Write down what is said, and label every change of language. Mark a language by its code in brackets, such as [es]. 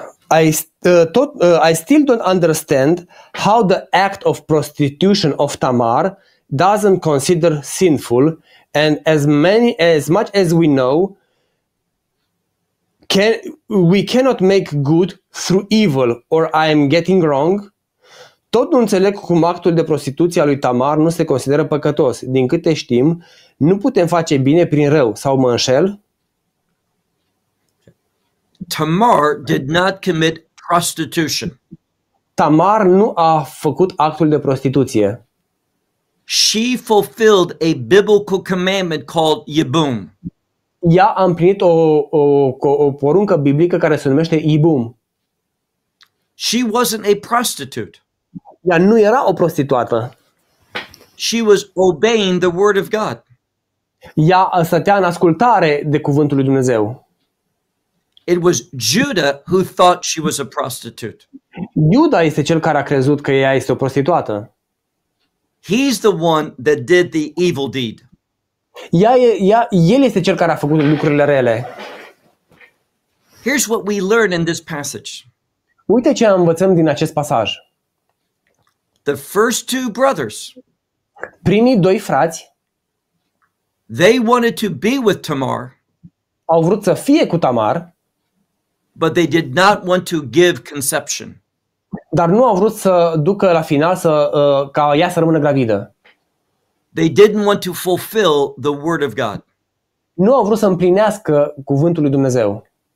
[en] I still don't understand how the act of prostitution of Tamar doesn't consider sinful, and as much as we know, we cannot make good through evil, or I am getting wrong? [ro] Tot nu înțeleg cum actul de prostituție a lui Tamar nu se consideră păcătos. Din câte știm, nu putem face bine prin rău, sau mă înșel? [en] Tamar did not commit prostitution. [ro] Tamar nu a făcut actul de prostituție. [en] She fulfilled a biblical commandment called Yibum. [ro] Ea a împlinit o poruncă biblică care se numește Yibum. [en] She wasn't a prostitute. [ro] Ea nu era o prostituată. [en] She was obeying the word of God. [ro] Ea stătea în ascultare de cuvântul lui Dumnezeu. [en] It was Judah who thought she was a prostitute. [ro] Iuda este cel care a crezut că ea este o prostituată. [en] He's the one that did the evil deed. [ro] El este cel care a făcut lucrurile rele. [en] Here's what we learn in this passage. [ro] Uite ce învățăm din acest pasaj. [en] The first two brothers. [ro] Primii doi frați. [en] They wanted to be with Tamar. [ro] Au vrut să fie cu Tamar. [en] But they did not want to give conception. [ro] Dar nu au vrut să ducă la final ca ea să rămână gravidă. [en] They didn't want to fulfill the word of God. [ro] Nu au vrut să împlinească cuvântul lui Dumnezeu.